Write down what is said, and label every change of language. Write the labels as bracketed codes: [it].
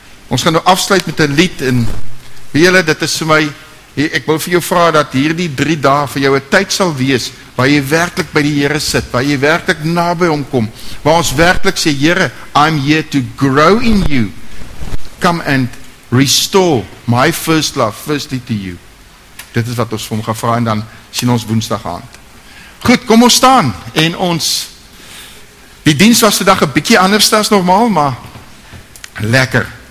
[af] Ons gaan nou afsluit met 'n lied en weet julle, dit is vir my, ek wil vir jou vra dat hierdie 3 dae vir jou 'n tyd sal wees waar jy werklik by die Here sit, waar jy werklik naby hom kom, waar ons werklik sê, Here, [en] I'm here to grow in you. Come and restore my first love, firstly to you. [af] Dit is wat ons vir hom gaan vra en dan sien ons Woensdag aand. Goed, kom ons staan en ons, die diens was vandag 'n bietjie anders as normaal, maar lekker.